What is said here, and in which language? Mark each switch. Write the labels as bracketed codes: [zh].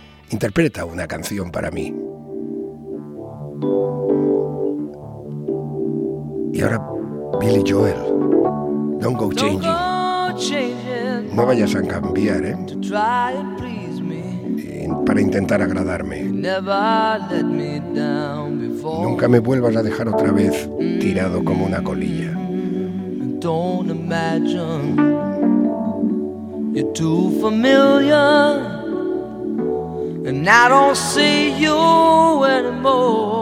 [es] Interpreta una canción para mí. Y ahora Billy Joel, don't go changing. [en] Don't go changing. [es] No vayas a cambiar, ¿eh? [en] To try and please me. [es] Para intentar agradarme. [en] Never let me down before. [es] Nunca me vuelvas a dejar otra vez tirado como una colilla. [en] Don't imagine you're too familiar and I don't see you anymore.